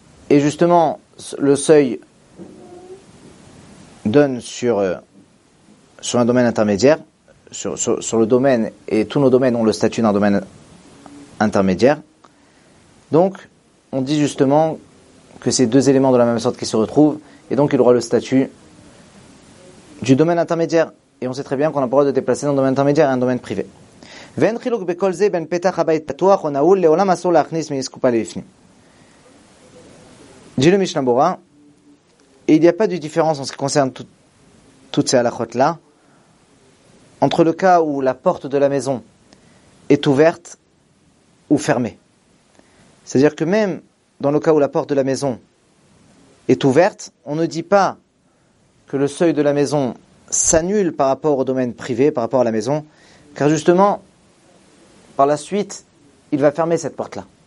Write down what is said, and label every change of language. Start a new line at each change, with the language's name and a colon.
French: Et justement, le seuil donne sur un domaine intermédiaire, sur le domaine, et tous nos domaines ont le statut d'un domaine intermédiaire. Donc, on dit justement que c'est deux éléments de la même sorte qui se retrouvent, et donc il aura le statut du domaine intermédiaire. Et on sait très bien qu'on a le droit de déplacer d'un domaine intermédiaire à un domaine privé.
Hebrew: ואין חילוק בכל זה בין פתח הבית פתוח או נעול לעולם אסור להכניס מאסקופה לפנים.
French: דיל משנה ברורה, il y a pas de différence en ce qui concerne toutes ces halakhot là entre le cas où la porte de la maison est ouverte ou fermée. C'est-à-dire que même dans le cas où la porte de la maison est ouverte, on ne dit pas que le seuil de la maison s'annule par rapport au domaine privé, par rapport à la maison, car justement par la suite, il va fermer cette porte-là.